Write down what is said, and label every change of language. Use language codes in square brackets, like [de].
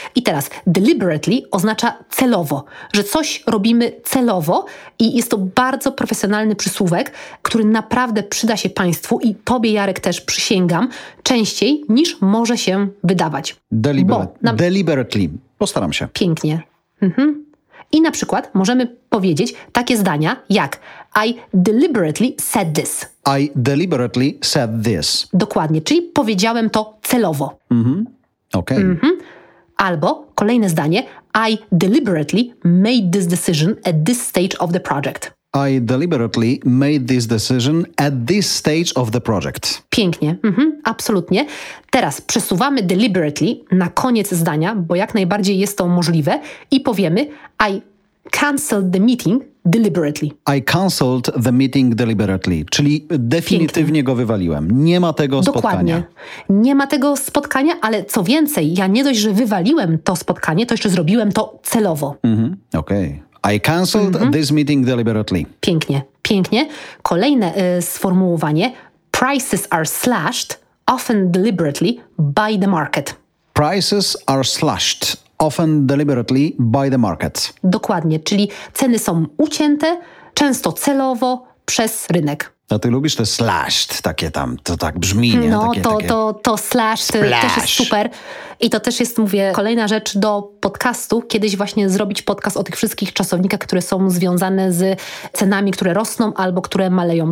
[pl] I teraz deliberately oznacza celowo, że coś robimy celowo i jest to bardzo profesjonalny przysłówek, który naprawdę przyda się Państwu i Tobie, Jarek, też przysięgam, częściej niż może się wydawać. Deliberately. Postaram się. Pięknie. Mhm. I na przykład możemy powiedzieć takie zdania jak [en] I deliberately said this. I deliberately said this. [pl] Dokładnie, czyli powiedziałem to celowo. Mhm. Okej. Okay. Mhm. Albo kolejne zdanie [en] I deliberately made this decision at this stage of the project. I deliberately made this decision at this stage of the project. [pl] Pięknie, absolutnie. Teraz przesuwamy deliberately na koniec zdania, bo jak najbardziej jest to możliwe i powiemy [en] I cancelled the meeting deliberately. I cancelled the meeting deliberately, [pl] czyli definitywnie go wywaliłem. Nie ma tego spotkania. Dokładnie. Nie ma tego spotkania, ale co więcej, ja nie dość, że wywaliłem to spotkanie, to jeszcze zrobiłem to celowo. Mhm, okej. Okay. [en] I cancelled this meeting deliberately. [pl] Pięknie, pięknie. Kolejne sformułowanie. [en] Prices are slashed, often deliberately, by the market. Prices are slashed, often deliberately, by the market. [pl] Dokładnie, czyli ceny są ucięte, często celowo, przez rynek. A ty lubisz te slashed, takie tam, to tak brzmi, nie? No, takie, to slashed splash. Też jest super. I to też jest, mówię, kolejna rzecz do podcastu. Kiedyś właśnie zrobić podcast o tych wszystkich czasownikach, które są związane z cenami, które rosną albo które maleją.